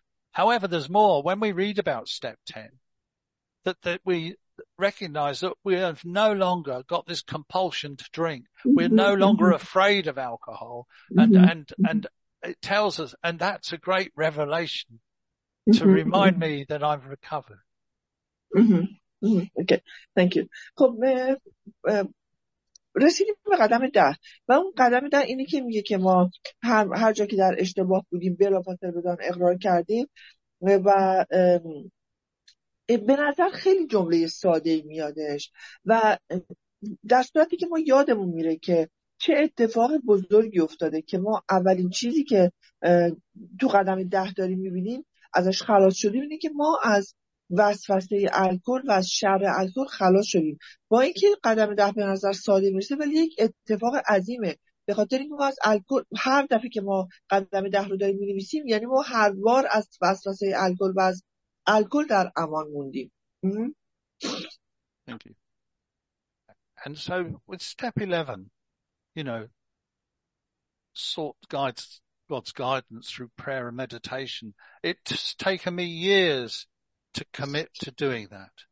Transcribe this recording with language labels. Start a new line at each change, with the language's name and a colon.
English: However, there's more when we read about step 10, that we recognize that we have no longer got this compulsion to drink. We're no longer afraid of alcohol and it tells us, and that's a great revelation to remind me that I've recovered. Okay, thank you.
Persian: خب رسیدیم به قدم ده و اون قدم ده اینی که میگه که ما هر جا که در اشتباه بودیم بلافاصله بدان اقرار کردیم و به نظر خیلی جمله ساده میادش و در صورتی که ما یادمون میره که چه اتفاق بزرگی افتاده که ما اولین چیزی که تو قدم ده داریم میبینیم ازش خلاص شدیم اینه که ما از وسوسه الکل و از شر الکل خلاص شدیم. با اینکه قدم ده به نظر ساده میرسه ولی یک اتفاق عظیمه، به خاطر اینکه ما از الکل هر دفعه که ما قدم ده رو داریم می‌نویسیم یعنی ما هر بار از وسوسه الکل و از الکل در امان موندیم.
English: Thank you. And so with step 11, you know, sought God's guidance through prayer and meditation. It's taken me years to commit to doing that.